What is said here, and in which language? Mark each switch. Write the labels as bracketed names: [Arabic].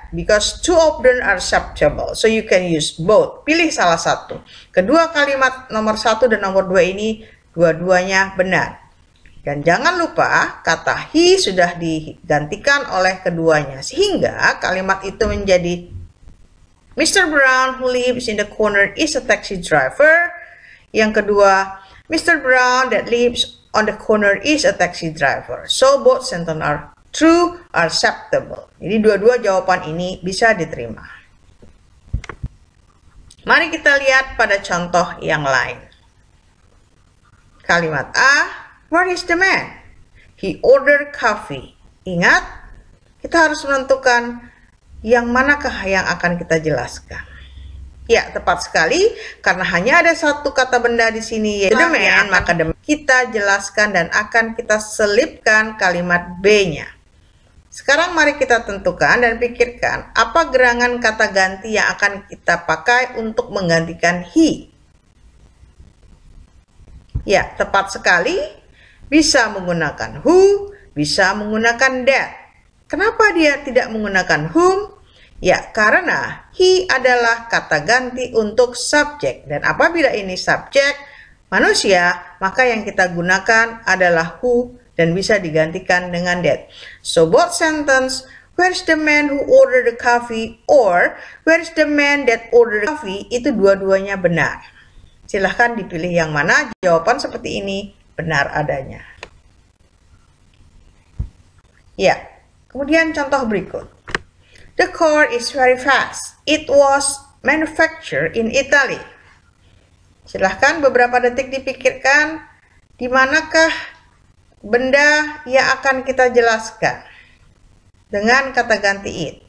[English] Because two of them are acceptable. So you can use both. [Indonesian] Pilih salah satu. Kedua kalimat nomor satu dan nomor dua ini, dua-duanya benar. Dan jangan lupa, kata he sudah digantikan oleh keduanya. Sehingga kalimat itu menjadi [English] Mr. Brown who lives in the corner is a taxi driver. [Indonesian] Yang kedua, [English] Mr. Brown that lives on the corner is a taxi driver. So both sentences are true or acceptable. [Indonesian] Jadi dua-dua jawaban ini bisa diterima. Mari kita lihat pada contoh yang lain. Kalimat A, [English] where is the man? He ordered coffee. [Indonesian] Ingat, kita harus menentukan yang manakah yang akan kita jelaskan. Ya, tepat sekali, karena hanya ada satu kata benda di sini, yaitu the man, maka the man kita jelaskan dan akan kita selipkan kalimat B-nya. Sekarang mari kita tentukan dan pikirkan apa gerangan kata ganti yang akan kita pakai untuk menggantikan he. Ya, tepat sekali. Bisa menggunakan who, bisa menggunakan that. Kenapa dia tidak menggunakan whom? Ya, karena he adalah kata ganti untuk subjek. Dan apabila ini subjek, manusia, maka yang kita gunakan adalah who dan bisa digantikan dengan that. [English] So, both sentence, where's the man who ordered the coffee or where's the man that ordered the coffee, [Indonesian] itu dua-duanya benar. Silahkan dipilih yang mana, jawaban seperti ini benar adanya. Ya, kemudian contoh berikut. [English] The car is very fast. It was manufactured in Italy. [Indonesian] Silahkan beberapa detik dipikirkan, di manakah benda yang akan kita jelaskan dengan kata ganti it.